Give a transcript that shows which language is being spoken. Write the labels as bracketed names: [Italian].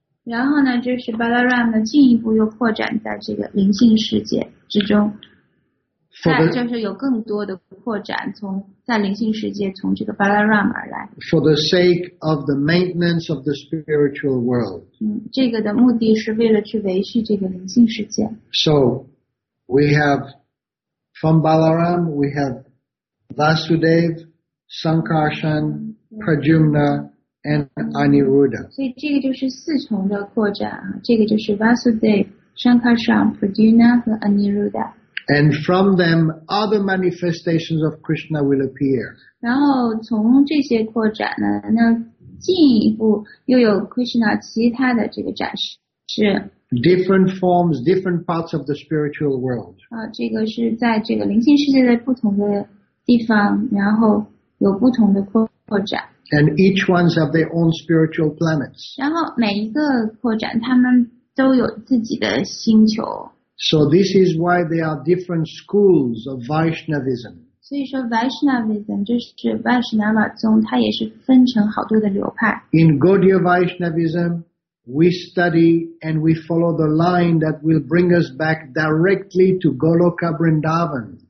[Chinese] 然后呢，就是 Balaram 呢进一步又扩展在这个灵性世界之中。就是有更多的扩展，从在灵性世界，从这个 Balaram 而来。 [English] For the sake of the maintenance of the spiritual world. [Chinese] 这个的目的是为了去维系这个灵性世界。 [English] So, we have from Balaram, we have Vasudev, Sankarshan, Pradyumna, and Aniruddha. [Chinese] 所以这个就是四重的扩展，这个就是 Vasudev, Sankarshan, Pradyumna, and Aniruddha. [English] And from them, other manifestations of Krishna will appear. [Chinese] 然后从这些扩展呢，那进一步又有 Krishna 其他的这个展示。 [English] Different forms, different parts of the spiritual world. [Chinese] 这个是在这个灵性世界的不同的地方，然后有不同的扩展。 [English] And each ones have their own spiritual planets. [Chinese] 然后每一个扩展，他们都有自己的星球。 [English] So this is why there are different schools of Vaishnavism. [Chinese] 所以说 Vaishnavism 就是 Vaishnava 宗，它也是分成好多的流派。 [English] In Gaudiya Vaishnavism, we study and we follow the line that will bring us back directly to Goloka Vrindavan.